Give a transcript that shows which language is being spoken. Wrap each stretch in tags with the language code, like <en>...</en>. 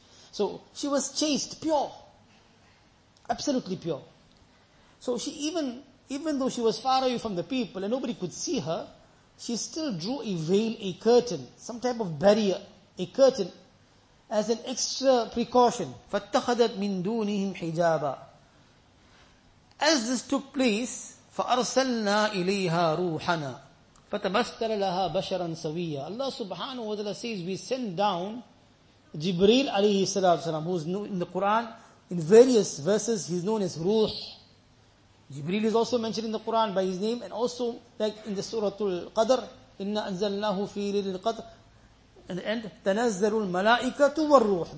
<en>So she was chaste, pure. Absolutely pure. So she even though she was far away from the people and nobody could see her, she still drew a veil, a curtain, some type of barrier, a curtain, as an extra precaution.</en> <ar>فَاتَّخَذَتْ مِن دُونِهِمْ حِجَابًا.</ar> <en>As this took place,</en> <ar>فَأَرْسَلْنَا إِلَيْهَا رُوحَنَا فَتَمَثَّلَ لَهَا بَشَرًا سَوِيًّا.</ar> <en>Allah subhanahu wa ta'ala says, we send down Jibreel alayhi salatu wasalam, who is in the Quran, in various verses, he is known as Ruh. Jibreel is also mentioned in the Quran by his name, and also like in the Surah Al-Qadr,</en> <ar>إِنَّا أَنزَلْنَاهُ فِي لَيْلَةِ الْقَدْرِ.</ar> <en>And the end,</en> <ar>تَنَزَّلُ الْمَلَائِكَةُ وَالرُّوحُ.</ar>